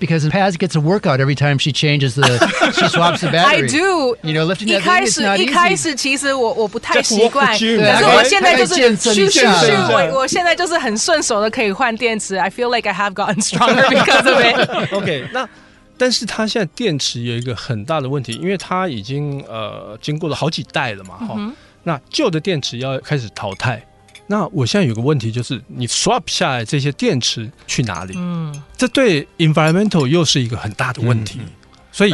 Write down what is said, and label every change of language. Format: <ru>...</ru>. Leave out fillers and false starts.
<en>Because Paz gets a workout every time she changes the, she swaps the battery. I do. You know, lifting that thing is not easy.</en> <zh>一开始其实 我不太习惯。就</zh> <en>walk with you.</en> <zh>可是我现在就是咻咻咻咻，我现在就是很顺手的可以换电池。</zh> <en>I feel like I have gotten stronger because of it.</en> <zh>Okay, 那但是它现在电池有一个很大的问题，因为它已经经过了好几代了嘛、 mm-hmm. 那旧的电池要开始淘汰。那我现在有个问题，就是你 swap 下来这些电池去哪里、嗯、这对 environmental 又是一个很大的问题、嗯、所以</zh>